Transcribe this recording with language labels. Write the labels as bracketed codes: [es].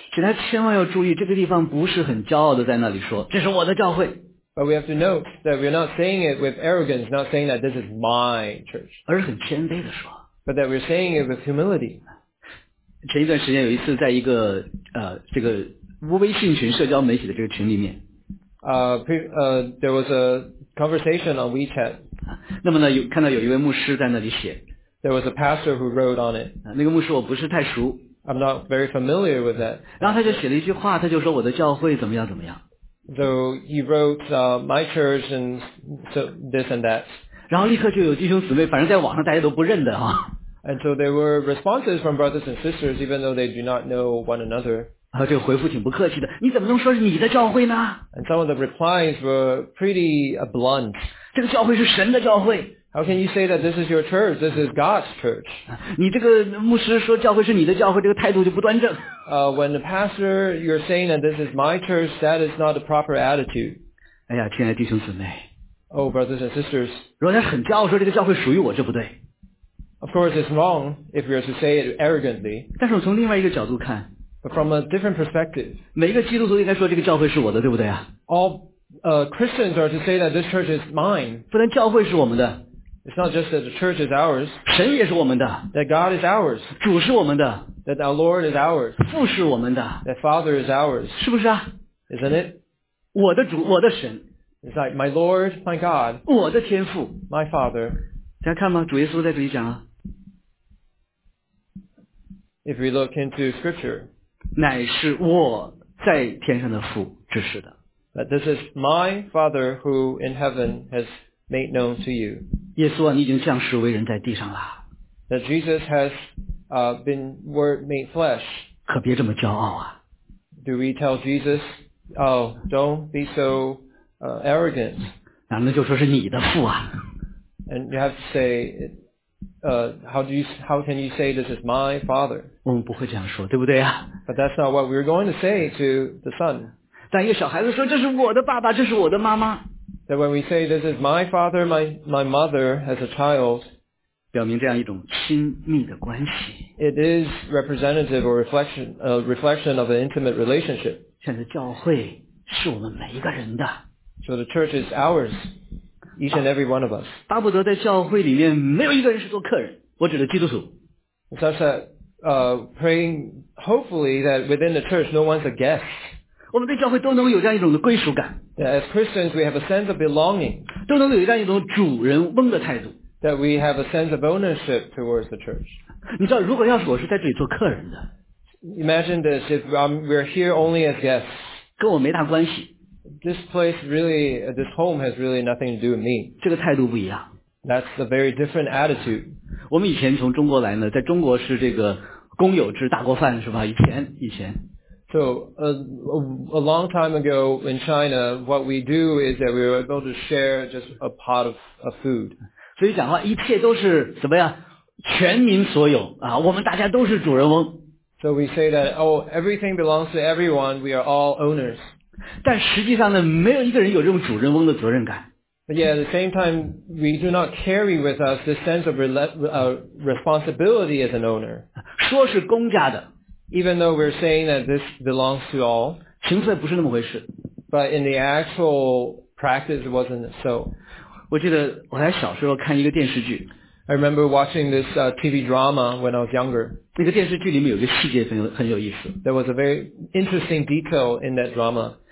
[zh] 请大家千万要注意，这个地方不是很骄傲的在那里说，这是我的教会。 [en] But we have to note that we're not saying it with arrogance, not saying that this is my church. [zh] 而是很谦卑的说。 [en] But that we're saying it with humility. [zh] 前一段时间有一次在一个这个微信群社交媒体的这个群里面。 [en] There was a conversation on WeChat. [zh] 那么呢有看到有一位牧师在那里写。 [en] There was a pastor who wrote on it. [zh] 那个牧师我不是太熟。 [en] I'm not very familiar with that. [zh] 然后他就写了一句话，他就说我的教会怎么样怎么样。 [en] So he wrote, my church and so this and that. [zh] 然后立刻就有弟兄姊妹，反正在网上大家都不认得哈。 [en] And so there were responses from brothers and sisters, even though they do not know one another. [zh] 然后这个回复挺不客气的，你怎么能说是你的教会呢？ [en] And some of the replies were pretty blunt. [zh] 这个教会是神的教会。 [en] How can you say that this is your church? This is God's church. [zh] 你这个牧师说教会是你的教会，这个态度就不端正。 [en] When the pastor, you're saying that this is my church, that is not a proper attitude. [zh] 哎呀，亲爱的弟兄姊妹。 [en] Oh, brothers and sisters. [zh] 如果他很骄傲说这个教会属于我，这不对。 [en] Of course, it's wrong if you're to say it arrogantly. [zh] 但是我从另外一个角度看。 [en] But from a different perspective. [zh] 每一个基督徒应该说这个教会是我的，对不对啊？ [en] Christians are to say that this church is mine. [zh] 不能教会是我们的。 [en] It's not just that the church is ours. [zh] 神也是我们的。 [en] That God is ours. [zh] 主是我们的。 [en] That our Lord is ours. [zh] 父是我们的。 [en] That Father is ours. [zh] 是不是啊？ [en] Isn't it? [zh] 我的主，我的神。 [en] It's like my Lord, my God. [zh] 我的天父。 [en] My Father. [zh] 大家看吗？主耶稣在这里讲啊。 [en] If we look into Scripture, [zh] 乃是我在天上的父指示的。 [en] But this is my Father who in heaven has made known to you. [zh] 耶稣啊，你已经降世为人在地上了。 [en] That Jesus has been word made flesh. [zh] 可别这么骄傲啊。 [en] Do we tell Jesus, oh, don't be so arrogant. [zh] 那么就说是你的父啊。 [en] And you have to say, how can you say this is my father? [zh] 我们不会这样说，对不对啊？ [en] But that's not what we're going to say to the son. [zh] 但一个小孩子说，这是我的爸爸，这是我的妈妈。 [en] That when we say this is my father, my mother as a child, [zh] 表明这样一种亲密的关系。 [en] It is representative or reflection of an intimate relationship. [zh] 现在教会是我们每一个人的。 [en] So the church is ours, each and every one of us. [zh] 巴不得在教会里面没有一个人是做客人，我指的基督徒。 [en] Such that, praying hopefully that within the church no one's a guest. [zh] 我们对教会都能有这样一种的归属感。 [en] That as Christians we have a sense of belonging. [zh] 都能有这样一种主人翁的态度。 [en] That we have a sense of ownership towards the church. [zh] 你知道，如果要是我是在这里做客人的 [en] ，Imagine this if we're here only as guests. [zh] 跟我没大关系。 [en] This place really, this home has really nothing to do with me. [zh] 这个态度不一样。 [en] That's a very different attitude. [zh] 我们以前从中国来呢，在中国是这个公有制大锅饭是吧？以前。 [en] So, a long time ago in China, what we do is that we were able to share just a pot of food. [zh] 所以讲话一切都是怎么样？全民所有啊，我们大家都是主人翁。 [en] So we say that, oh, everything belongs to everyone, we are all owners. [zh] 但实际上呢，没有一个人有这种主人翁的责任感。 [en] But yeah, at the same time, we do not carry with us this sense of responsibility as an owner. [zh] 说是公家的。 [en] Even though we're saying that this belongs to all, [zh] 情分不是那么回事。 [en] But in the actual practice, it wasn't so. [zh] 我记得我还小时候看一个电视剧。 [en] I remember watching this TV drama when I was younger. [zh] 那个电视剧里面有个细节很有意思。 [en] There was a very interesting detail in that drama.